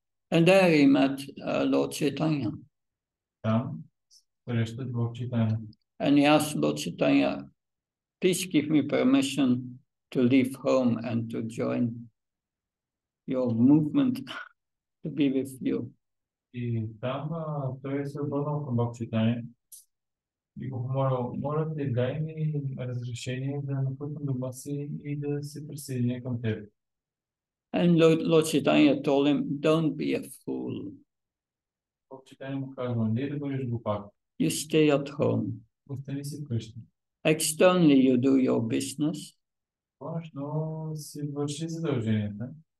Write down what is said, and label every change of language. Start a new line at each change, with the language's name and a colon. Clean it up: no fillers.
English: And there he met Lord Chaitanya. And he asked Lord Chaitanya, please give me permission to leave home and to join your movement to be with you.
Bulgarian: И там той се обърнал към Бог Чайтанья и го помолил, моля те, дай ми разрешение да напътвам дома си и да се присъединя към теб.
English: And Lord Chaitanya told him, don't be a fool.
Bulgarian: Бог Чайтанья му казва, не да бъдеш глупак.
English: You stay at home.
Bulgarian: Остани си вкъщи.
English: Externally you do your business.
Bulgarian: Важно си върши задълженията.